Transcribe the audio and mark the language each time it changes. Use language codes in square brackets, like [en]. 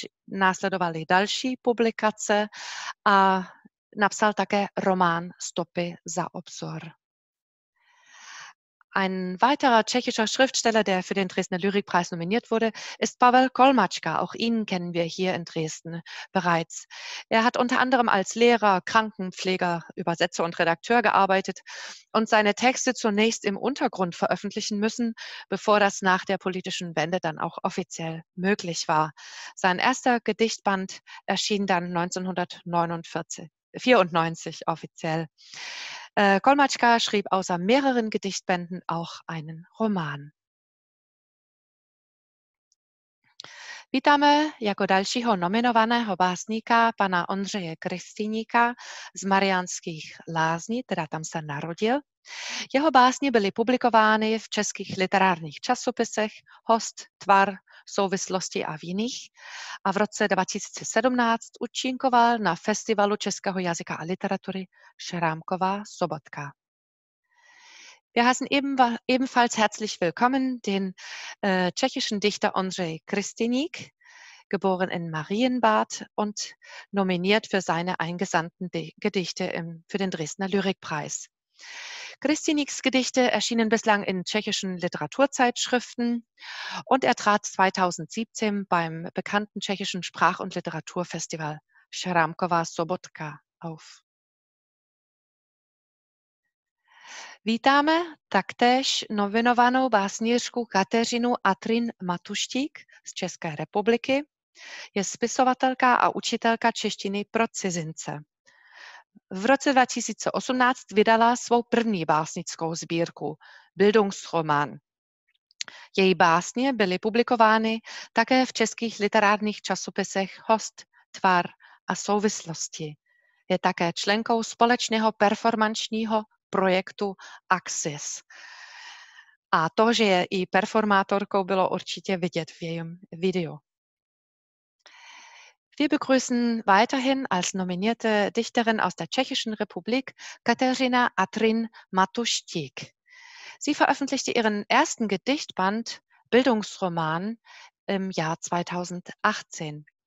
[cs] Následovaly další publikace a napsal také román Stopy za obzor. [de] Ein weiterer tschechischer Schriftsteller, der für den Dresdner Lyrikpreis nominiert wurde, ist Pavel Kolmatschka. Auch ihn kennen wir hier in Dresden bereits. Er hat unter anderem als Lehrer, Krankenpfleger, Übersetzer und Redakteur gearbeitet und seine Texte zunächst im Untergrund veröffentlichen müssen, bevor das nach der politischen Wende dann auch offiziell möglich war. Sein erster Gedichtband erschien dann 1994 offiziell. Kolmatschka schrieb außer mehreren Gedichtbänden auch einen Roman. [cs] Vítáme jako dalšího nominovaného básníka, pana Ondřeje Kristýníka z Mariánských Lázní, teda tam se narodil. Jeho básně byly publikovány v českých literárních časopisech Host, Tvar, Souvislosti a v jiných a v roce 2017 účinkoval na Festivalu českého jazyka a literatury Šrámková Sobotka. [de] Wir heißen ebenfalls herzlich willkommen den tschechischen Dichter Ondřej Kristýník, geboren in Marienbad und nominiert für seine eingesandten Gedichte für den Dresdner Lyrikpreis. Kristýníks Gedichte erschienen bislang in tschechischen Literaturzeitschriften und er trat 2017 beim bekannten tschechischen Sprach- und Literaturfestival Šrámková Sobotka auf. [cs] Vítáme taktéž nominovanou básnířku Kateřinu Atrin Matuštík z České republiky. Je spisovatelka a učitelka češtiny pro cizince. V roce 2018 vydala svou první básnickou sbírku, Bildungsroman. Její básně byly publikovány také v českých literárních časopisech Host, Tvar a Souvislosti. Je také členkou společného performančního projektu Axis. A to, že je i performátorkou, bylo určitě vidět v jejím videu. [de] Wir begrüßen weiterhin als nominierte Dichterin aus der Tschechischen Republik Kateřina Atrin Matuštík. Sie veröffentlichte ihren ersten Gedichtband Bildungsroman im Jahr 2018.